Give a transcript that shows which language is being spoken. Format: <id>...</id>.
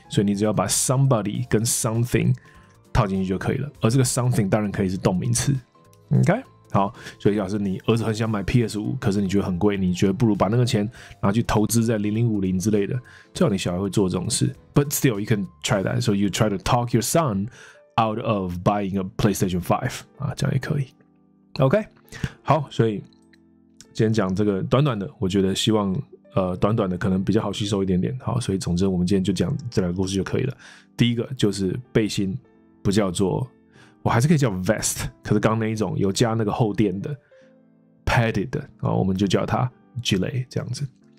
<zh>所以你只要把 somebody 跟 something 套进去就可以了，而这个 something 当然可以是动名词。 OK, 好，所以假设你儿子很想买 PS5, 可是你觉得很贵，你觉得不如把那个钱拿去投资在0050之类的，最好你小孩会做这种事。</zh> <en>But still, you can try that. So you try to talk your son out of buying a PlayStation 5.</en> <zh>啊，这样也可以。 OK, 好，所以今天讲这个短短的，我觉得希望短短的可能比较好吸收一点点。好，所以总之我们今天就讲这两个故事就可以了。第一个就是背心不叫做，我还是可以叫 vest, 可是刚那一种有加那个厚垫的 padded 的，我们就叫它 gilet 这样子。</zh>